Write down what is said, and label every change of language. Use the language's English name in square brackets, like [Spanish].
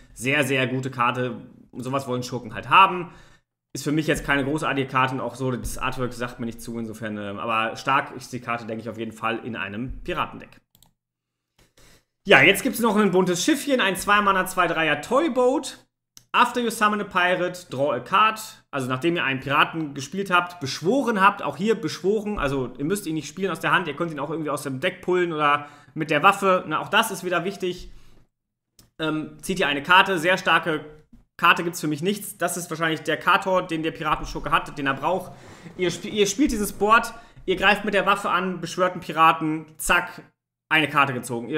[German] Sehr, sehr gute Karte. Und sowas wollen Schurken halt haben. Ist für mich jetzt keine großartige Karte und auch so, das Artwork sagt mir nicht zu, insofern. Aber stark ist die Karte, denke ich, auf jeden Fall in einem Piratendeck. Ja, jetzt gibt es noch ein buntes Schiffchen, ein 2-Mana, 2-3er Toyboat. [English] After you summon a pirate, draw a card. [German] Also nachdem ihr einen Piraten gespielt habt, beschworen habt, auch hier beschworen. Also ihr müsst ihn nicht spielen aus der Hand, ihr könnt ihn auch irgendwie aus dem Deck pullen oder mit der Waffe. Na, auch das ist wieder wichtig. Zieht ihr eine Karte, sehr starke Karte gibt es für mich nichts. Das ist wahrscheinlich der Kator, den der Piratenschurke hat, den er braucht. Ihr spielt dieses Board, ihr greift mit der Waffe an, beschwört einen Piraten, zack, eine Karte gezogen.